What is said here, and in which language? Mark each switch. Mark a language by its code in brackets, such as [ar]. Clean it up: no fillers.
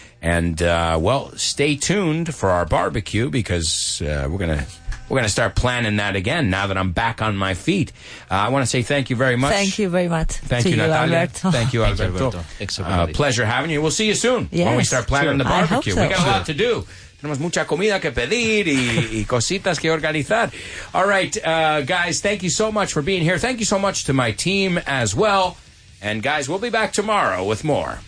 [en] And, well, stay tuned for our barbecue, because we're gonna start planning that again now that I'm back on my feet. I want to say thank you very much. Thank you very much. Thank you, Natalia. Alberto. Thank you, Alberto. Pleasure having you. We'll see you soon when we start planning the barbecue. I hope so. We got a lot to do. [es] Tenemos mucha comida que pedir y cositas que organizar. [en] All right, guys, thank you so much for being here. Thank you so much to my team as well. And, guys, we'll be back tomorrow with more.